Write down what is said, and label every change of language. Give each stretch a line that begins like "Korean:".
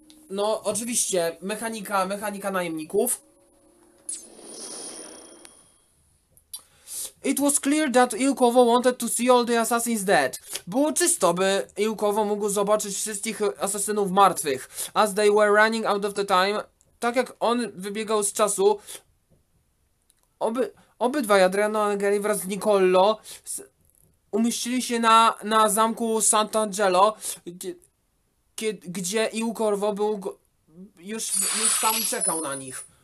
Polish: No, oczywiście, mechanika najemników.
English: It was clear that Łakurwo wanted to see all the assassins dead.
Polish: Było czysto, by Łakurwo mógł zobaczyć wszystkich asasynów martwych.
English: As they were running out of the time,
Polish: tak jak on wybiegał z czasu, Obydwaj Adriano Angeli wraz z Nicolo umieścili się na zamku Sant'Angelo, gdzie Łakurwo był już tam i czekał na nich.